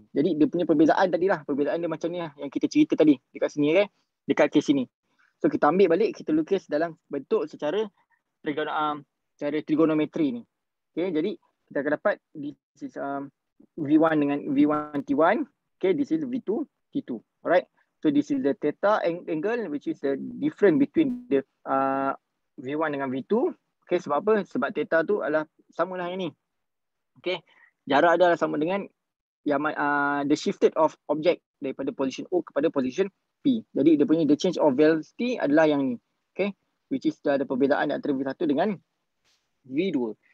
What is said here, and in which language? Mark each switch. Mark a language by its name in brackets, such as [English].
[Malay] Jadi dia punya perbezaan tadi lah, perbezaan dia macam ni lah yang kita cerita tadi dekat sini, okay? Dekat case sini. So kita ambil balik, kita lukis dalam bentuk secara trigonometri ni. Okay, jadi kita akan dapat [English] this is V1 [Malay] dengan V1, T1. Okay, [English] this is V2, [Malay] T2. [English] Alright, so this is the theta angle which is the difference between the V1 dengan V2. [Malay] Okay, sebab apa? Sebab theta tu adalah samalah yang ni. Okay, jarak dia adalah sama dengan [English] the shifted of object [Malay] daripada position O kepada position P. Jadi dia punya [English] the change of velocity [Malay] adalah yang ni. Okay, [English] which is [Malay] dia ada perbezaan antara V1 dengan V2.